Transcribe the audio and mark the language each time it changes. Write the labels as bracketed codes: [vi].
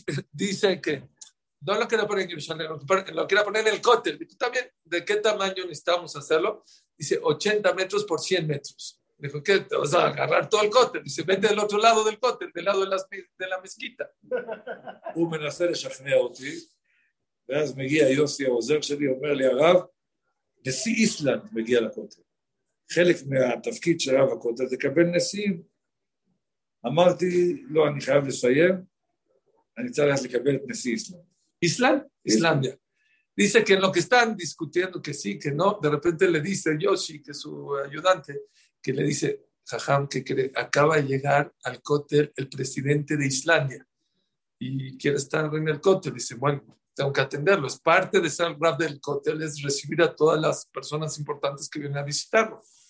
[es] Dice que, no lo quiero poner en Jerusalén, lo quiero poner en el Kotel. ¿Y tú también? ¿De qué tamaño necesitamos hacerlo? Dice, 80 metros por 100 metros. Dijo, ¿qué? ¿Te vas a agarrar todo el cóter? Dice, vete del otro lado del cóter, del lado de la mezquita. [he] הוא מנסה לשכנע אותי, ואז מגיע יוסי העוזר שלי, אומר לי, הרב, נשיא איסלנד מגיע לכותל. חלק מהתפקיד של רב הכותל, תקבל נשיאים. אמרתי, לא, אני חייב לסיים, אני צריך לקבל את נשיא איסלנד. איסלנד? איסלנדיה. [es] Dice que en lo que están discutiendo, que sí, que no, de repente le dice Yoshi, que es su ayudante, que le dice, jajam que acaba de llegar al Kotel el presidente de Islandia y quiere estar en el Kotel. Dice, bueno, tengo que atenderlo. Es parte de ser el rab del Kotel, es recibir a todas las personas importantes que vienen a visitarlo.